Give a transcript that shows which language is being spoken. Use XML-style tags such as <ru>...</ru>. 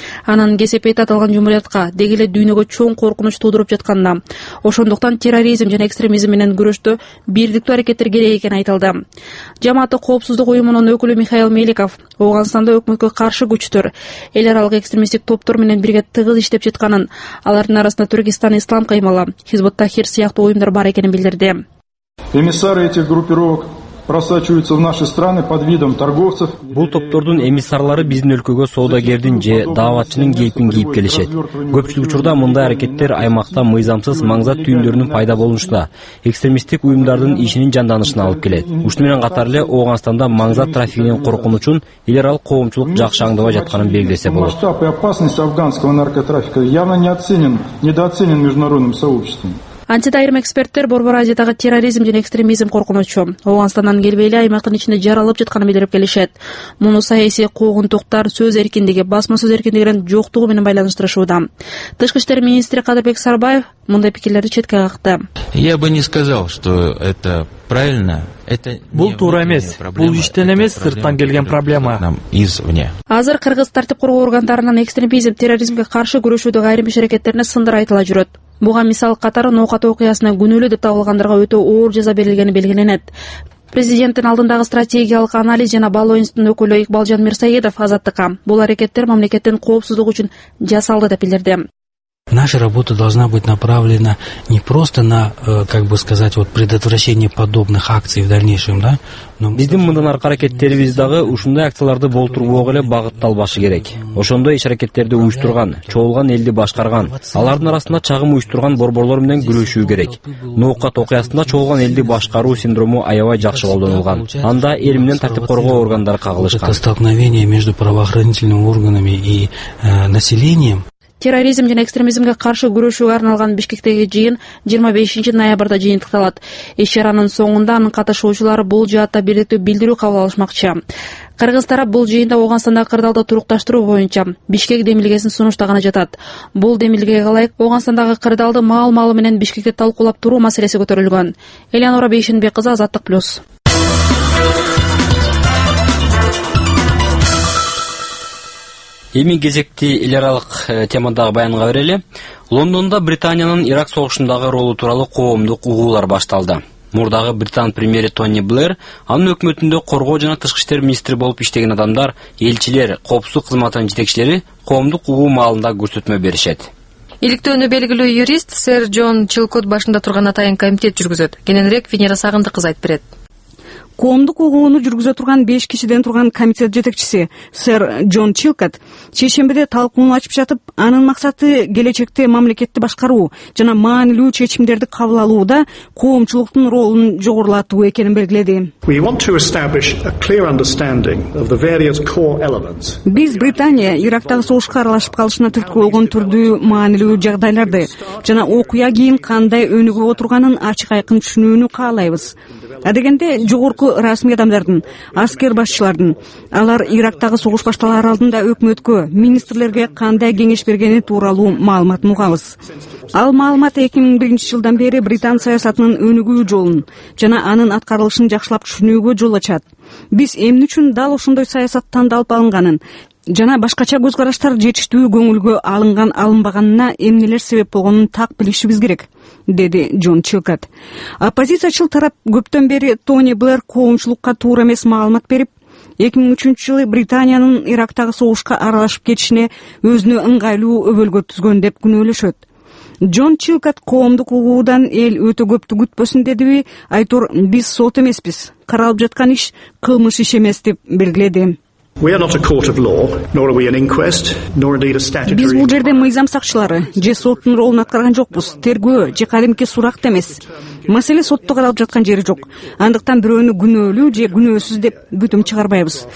<ky>Анан кесепети аталган жумуриятка, деги эле дүйнөгө чоң коркунуч туудуруп жатканына, ошондуктан терроризм жана экстремизм менен күрөштө бирдиктүү аракеттер керек экени айтылды. Жамааттык коопсуздук уюмунун өкүлү Михаил Меликов Ооганстанда өкмөткө каршы күчтөр, эл аралык экстремисттик топтор менен бирге тыгыз иштеп жаткандыгын, алардын арасында Түркистан Ислам Кыймылы, Хизбут-Тахир сыяктуу уюмдар бар экенин билдирди.</ky> <ru>Эмиссары этих группировок просачиваются в наши страны под видом торговцев.</ru> <ky>Бул топтордун эмиссарлары биздин өлкөгө соодагердин же даавачынын кейпин кийип келишет. Көпчүлүк учурда мындай аракеттер аймакта мыйзамсыз маңзат түйүндөрүнүн пайда болушуна, экстремисттик уюмдардын ишинин жанданышына алып келет. Ушуну менен катар эле Ооганстанда маңзат трафигинин коркунучун эл аралык коомчулук жакшы аңдабай жатканын белгилесе болот.</ky> <ru>Масштаб и опасность афганского наркотрафика явно недооценен международным сообществом.</ru> <ky>Антидайрым эксперттер Борбор Азиядагы терроризм жана экстремизм коркунучу. Оогонстандан келбей эле аймактын ичинде жаралып жатканын билдирип келишет. Муну саясий куугунтуктар, сөз эркиндиги, басма сөз эркиндигинин жоктугу менен байланыштырышууда. Тышкы иштер министри Кадырбек Сарбаев мындай пикирлерди четке какты.</ky> <ru>Я бы не сказал, что это правильно.</ru> <ky>Бул туура эмес. Бул иштен эмес, сырттан келген проблема. Азыр кыргыз тартип коргоо органдарынан экстремизм, терроризмге каршы күрөшүүдөгү айрым иш аракеттерине сындар айтыла жүрөт. Буга мисал катары Ноокат окуясына күнөөлүү деп табылгандарга өтө оор жаза берилгени белгиленет. Президенттин алдындагы стратегиялык анализ жана баалоо институтунун өкүлү Икбалжан Мирсаедов Азаттыкка бул аракеттер мамлекеттин коопсуздугу үчүн жасалды деп билдирди.</ky> <ru>Наша работа должна быть направлена не просто на, как бы сказать, вот предотвращение подобных акций в дальнейшем, да?</ru> <ky>Биздин мындан аркы аракеттерибиз дагы ушундай акцияларды болтургоого эле багытталбашы керек. Ошондой иш аракеттерди уюштурган, чогулган элди башкарган, алардын арасында чагым уюштурган борборлор менен күрөшүү керек. Ноокат окуясында чогулган элди башкаруу синдрому аябай жакшы колдонулган. Анда эл менен тартип коргоо органдары кагылышкан.</ky> <ru>Столкновение между правоохранительными органами и населением.</ru> <ky>терроризм жана экстремизмге каршы күрөшүүгө арналган Бишкектеги жыйын 25 ноябрда жыйынтыкталат. Иш-чаранын соңунда анын катышуучулары бул жаатта бирдиктүү билдирүү кабыл алышмакчы. Кыргыз тарап бул жыйында Ооганстандагы кырдаалды турукташтыруу боюнча Бишкек демилгесин сунуштаганы жатат. Бул демилгеге ылайык Ооганстандагы кырдаалды маал-маалы менен Бишкекте талкуулап туруу маселеси көтөрүлгөн. Элеонора Бейшенбек кызы, Азаттык Плюс. Эми кезекти эл аралык темадагы баянга берели. Лондондо Британиянын Ирак согушундагы ролу тууралуу коомдук угуулар башталды. Мурдагы Британ премьери Тони Блэр, анын өкмөтүндө коргоо жана тышкы иштер министри болуп иштеген адамдар, элчилер, коопсуздук кызматынын жетекчилери коомдук угуу маалында көрсөтмө беришет. Иликтөөнү белгилүү юрист сэр Джон Чилкот башында турган атайын комитет жүргүзөт. Кененирээк Венера Сагындык кызы айтып берет. Коомдук угууну жүргүзө турган 5 кишиден турган комитет жетекчиси сэр Джон Чилкот чейшембиде талкууну ачып жатып, анын максаты келечекте мамлекетти башкаруу жана маанилүү чечимдерди кабыл алууда коомчулуктун ролун жогорулатуу экенин белгиледи.</ky> <en>We want to establish a clear understanding of the various core elements.</en> <ky>Биз Британия Ирактагы согушка аралашып калышына түрткү болгон түрдүү маанилүү жагдайларды жана окуя кийин кандай өнүгүп отурганын ачык айкын түшүнүүнү каалайбыз. Адегенде жогорку расмий адамдардын, аскер башчылардын, алар Ирактагы согуш башталаар алдында өкмөткө, министрлерге кандай кеңеш бергени тууралуу маалыматын угабыз. Ал маалымат 2001-жылдан бери Британ саясатынын өнүгүү жолун жана анын аткарылышын жакшылап түшүнүүгө жол ачат. Биз эмне үчүн дал ушундай саясат тандалып алынганын жана башкача көз караштар жетиштүү көңүлгө алынган алынбаганына эмнелер себеп болгонун так билишибиз керек, деди Джон Чилкот. Оппозициячыл тарап көптөн бери Тони Блэр коомчулукка туура эмес маалымат берип, 2003-жылы Британиянын Ирактагы согушка аралашып кетишине өзүнө ыңгайлуу өбөлгө түзгөн деп күнөөлөшөт. Джон Чилкот коомдук угуудан эл өтө көптү күтпөсүн дедиби, айтор биз сот эмеспиз, каралып жаткан иш кылмыш иш эмес деп белгиледи.</ky> <en>We are not a court of law, nor are we an inquest, nor indeed a statutory</en> <ky>Биз бул жерде мыйзам сакчылары же соттун ролун аткарган жокпуз. Тергөө же кадимки сурак эмес. Маселе сотто каралып жаткан жери жок. Андыктан бирөөнү күнөөлүү же күнөөсүз деп бүтүм чыгарбайбыз.</ky>